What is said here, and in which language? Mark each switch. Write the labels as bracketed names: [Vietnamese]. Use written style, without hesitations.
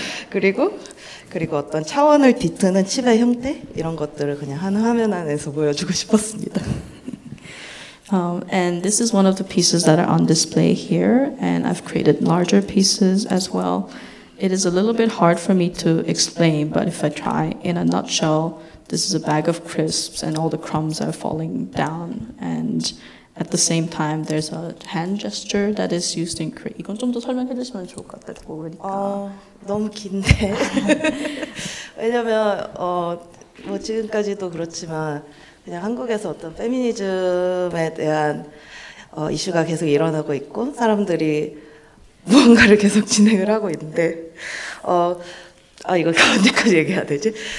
[Korean] 그리고 어떤 차원을 뒤트는 칩의 형태 이런 것들을 그냥 한 화면 안에서 보여주고 싶었습니다. [English] And this is one of the pieces that are on display here, and I've created larger pieces as well. It is a little bit hard for me to explain, but if I try, in a nutshell, this is a bag of crisps, and all the crumbs are falling down. And at the same time, there's a hand gesture that is used in Korean. [Korean] 이건 좀 더 설명해 주시면 좋을 것 같아요. 모르니까. 너무 긴데. 왜냐면 뭐 지금까지도 그렇지만 그냥 한국에서 어떤 페미니즘에 대한 이슈가 계속 일어나고 있고 사람들이 무언가를 계속 진행을 하고 있는데 이거 언제까지 얘기해야 되지?